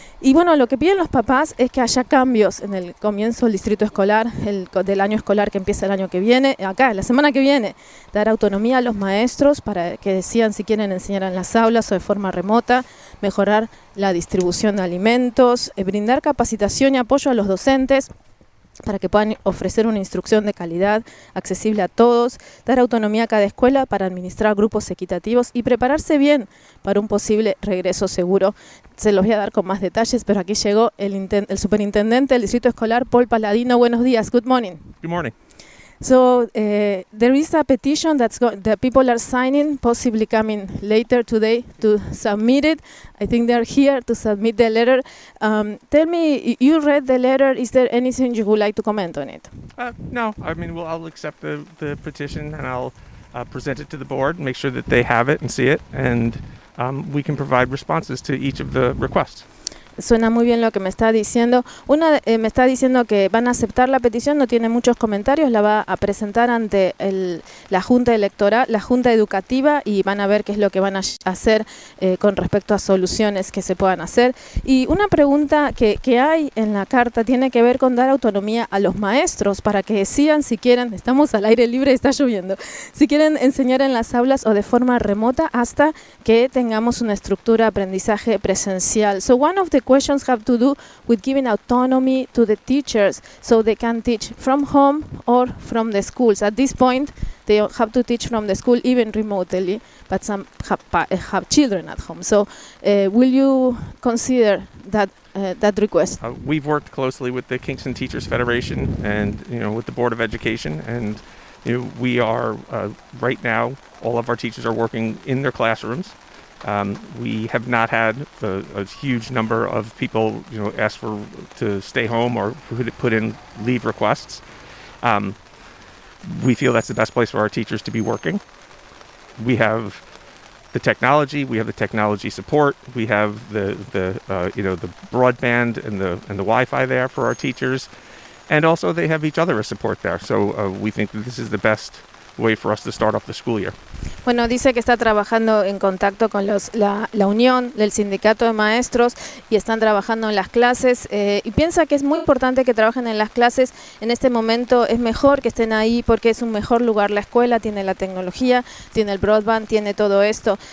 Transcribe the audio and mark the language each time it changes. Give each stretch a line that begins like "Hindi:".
Spanish: Y bueno, lo que piden los papás es que haya cambios en el comienzo del distrito escolar, del año escolar que empieza el año que viene, acá, la semana que viene, dar autonomía a los maestros para que decidan si quieren enseñar en las aulas o de forma remota, mejorar la distribución de alimentos, brindar capacitación y apoyo a los docentes para que puedan ofrecer una instrucción de calidad accesible a todos, dar autonomía a cada escuela para administrar grupos equitativos y prepararse bien para un posible regreso seguro. Se los voy a dar con más detalles, pero aquí llegó el superintendente del distrito escolar, Paul Paladino. Buenos días.
English: Good morning. Good morning. So there is a petition that people are signing, possibly coming later today to submit it. I think they are here to submit the letter. Tell me, you read the letter. Is there anything you would like to comment on it? No. I mean, well, I'll accept the petition and I'll present it to the board and make sure that they have it and see it. And we can provide responses to each of the requests.
Spanish: Suena muy bien lo que me está diciendo. Una me está diciendo que van a aceptar la petición, no tiene muchos comentarios, la va a presentar ante la Junta Electoral, la Junta Educativa, y van a ver qué es lo que van a hacer con respecto a soluciones que se puedan hacer. Y una pregunta que hay en la carta tiene que ver con dar autonomía a los maestros para que decidan si quieren, estamos al aire libre, está lloviendo, si quieren enseñar en las aulas o de forma remota hasta que tengamos una estructura de aprendizaje presencial.
English: So one of the questions have to do with giving autonomy to the teachers so they can teach from home or from the schools. At this point, they have to teach from the school even remotely, but some have children at home. So will you consider that request? We've worked closely with the Kingston Teachers Federation and, you know, with the Board of Education, and you know, we are right now, all of our teachers are working in their classrooms. We have not had a huge number of people, you know, ask for to stay home or put in leave requests. We feel that's the best place for our teachers to be working. We have the technology. We have the technology support. We have the broadband and the Wi-Fi there for our teachers, and also they have each other as support there. So we think that this is the best way for us to start off the school year.
Spanish: Bueno, dice que está trabajando en contacto con la unión del sindicato de maestros y están trabajando en las clases y piensa que es muy importante que trabajen en las clases. En este momento es mejor que estén ahí porque es un mejor lugar la escuela, tiene la tecnología, tiene el broadband, tiene todo esto.